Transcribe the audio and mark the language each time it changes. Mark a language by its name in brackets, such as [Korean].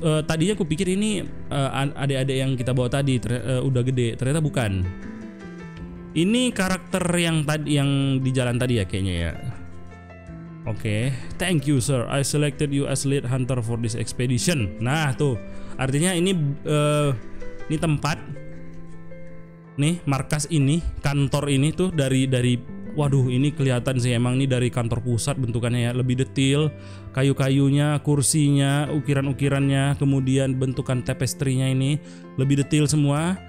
[Indonesian] Tadinya aku pikir ini adik-adik yang kita bawa tadi udah gede, ternyata bukan. Ini karakter yang di jalan tadi ya kayaknya ya. [English] Oke, okay. Thank you, sir. I selected you as lead hunter for this expedition. [Indonesian] Nah, tuh. Artinya ini tempat nih, markas ini, kantor ini tuh dari waduh, ini kelihatan sih emang ini dari kantor pusat bentukannya ya, lebih detail kayu-kayunya, kursinya, ukiran-ukirannya, kemudian bentukan tapestry-nya ini lebih detail semua.